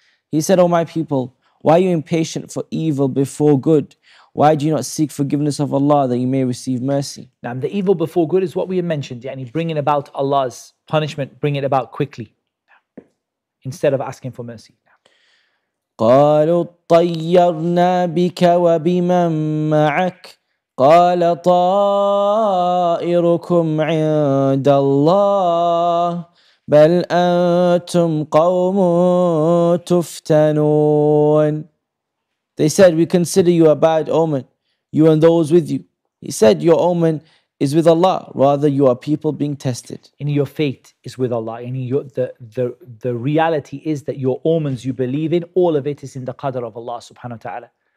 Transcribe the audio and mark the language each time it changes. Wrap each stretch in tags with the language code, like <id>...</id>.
<en>He said, O my people, why are you impatient for evil before good? Why do you not seek forgiveness of Allah that you may receive mercy? Now, the evil before good is what we have mentioned, bringing about Allah's punishment, bring it about quickly instead of asking for mercy.</en> <ar>قالوا اطيرنا بك وبمن معك قال طائركم عند الله بل أنتم قوم تفتنون.</ar> <en>They said, we consider you a bad omen, you and those with you. He said, your omen is with Allah, rather you are people being tested. And your fate is with Allah. And the reality is that your omens you believe in, all of it is in the qadr of Allah subhanahu wa ta'ala.</en>